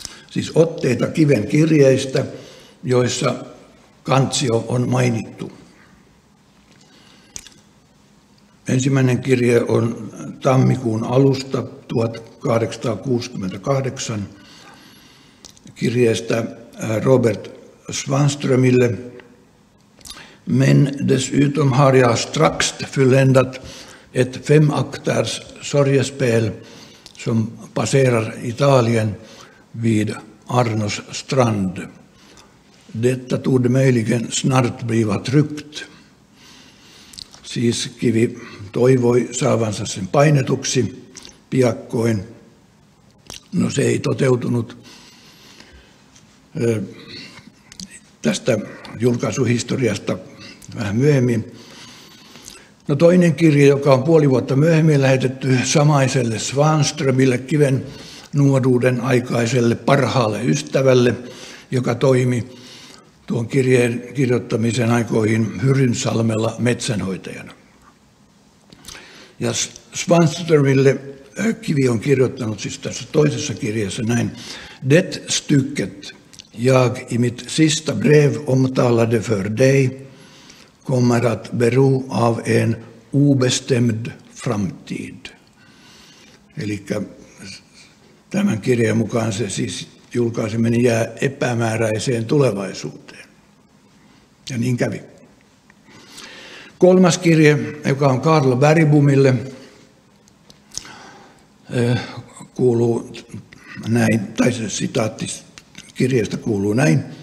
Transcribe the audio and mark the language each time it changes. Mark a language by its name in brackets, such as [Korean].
[Finnish] Siis otteita Kiven kirjeistä, joissa kansio on mainittu. Ensimmäinen kirje on tammikuun alusta 1868 kirjeestä Robert Svanströmille. [Swedish] Men desutom har jag strax fulländat ett femaktärs sorgespel som passerar Italien vid Arnos strand. Detta torde möjligen snart bliva tryckt. [Finnish] Siis Kivi toivoi saavansa sen painetuksi piakkoin. No, se ei toteutunut. Tästä julkaisuhistoriasta vähän myöhemmin. No, toinen kirja, joka on puoli vuotta myöhemmin lähetetty samaiselle Svanströmille, Kiven nuoruuden aikaiselle parhaalle ystävälle, joka toimi tuon kirjeen kirjoittamisen aikoihin Hyrynsalmella metsänhoitajana. Ja Svanströmille Kivi on kirjoittanut siis tässä toisessa kirjassa näin. [Swedish] Det stycket jag i mitt sista brev omtalade för dig kommer att bero av en obestämd framtid. [Finnish] Eli tämän kirjan mukaan se siis julkaiseminen jää epämääräiseen tulevaisuuteen. Ja niin kävi. Kolmas kirje, joka on Karl Bergbomille, kuuluu näin, tai se sitaatti kirjeestä kuuluu näin.